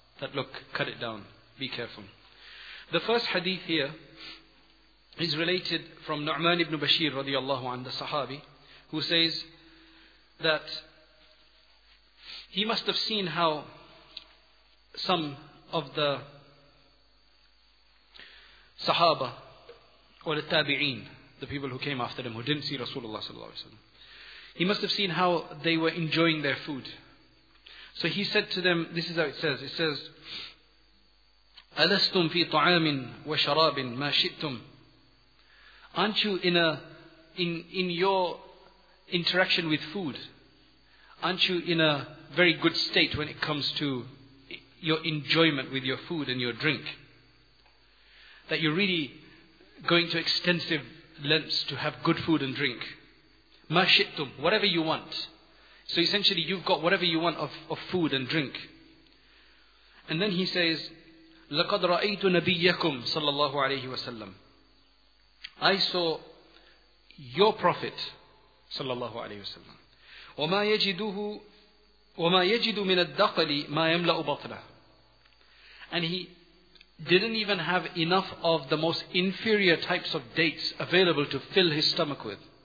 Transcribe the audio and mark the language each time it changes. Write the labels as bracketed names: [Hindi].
[English] That look, cut it down, be careful. The first hadith here is related from Nu'man ibn Bashir radiallahu anhu, the Sahabi, who says that he must have seen how some of the Sahaba or the Tabi'een, the people who came after them, who didn't see Rasulullah sallallahu alaihi wasallam, he must have seen how they were enjoying their food. So he said to them, this is how it says. It says, [Arabic] أَلَسْتُمْ فِي طَعَامٍ وَشَرَابٍ مَا شِئْتُمْ. [English] Aren't you in your interaction with food, aren't you in a very good state when it comes to your enjoyment with your food and your drink? That you're really going to extensive lengths to have good food and drink. [Arabic] مَا شِئْتُمْ, [English] whatever you want. So essentially, you've got whatever you want of food and drink. And then he says, [Arabic] لَقَدْ رَأَيْتُ نَبِيَّكُمْ صَلَّى اللَّهُ عَلَيْهِ وَسَلَّمْ. [English] I saw your Prophet, [Arabic] صَلَّى اللَّهُ عَلَيْهِ وَسَلَّمْ. وَمَا يَجِدُ مِنَ الدَّقَلِ مَا يَمْلَأُ بَطْنَهُ. [English] And he didn't even have enough of the most inferior types of dates available to fill his stomach with.